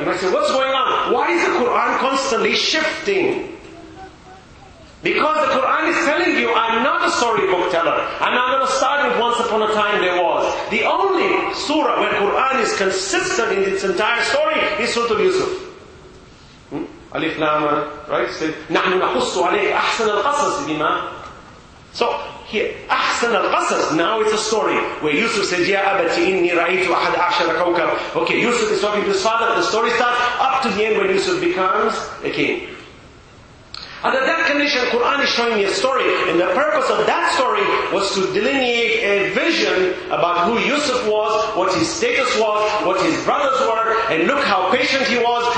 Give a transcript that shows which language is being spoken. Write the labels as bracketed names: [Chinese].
[English] You might say, what's going on? Why is the Quran constantly shifting? Because the Quran is telling you, I'm not a storybook teller. I'm not going to start with once upon a time there was. The only surah where Quran is consistent in its entire story is Surah Yusuf. Alif Lam, right? Said, [Arabic] نَحْنُ نَقُصُّ عَلَيْكَ أَحْسَنَ الْقَصَصِ بِمَا. [English] So, here, [Arabic] أَحْسَنَ الْقَصَصِ, [English] now it's a story where Yusuf said, [Arabic] يَا أَبَتِ إِنِّي رَأَيْتُ أَحَدَ عَشَرَ كَوْكَبَ. [English] Okay, Yusuf is talking to his father, the story starts up to the end when Yusuf becomes a king. Under that condition, Quran is showing me a story, and the purpose of that story was to delineate a vision about who Yusuf was, what his status was, what his brothers were, and look how patient he was.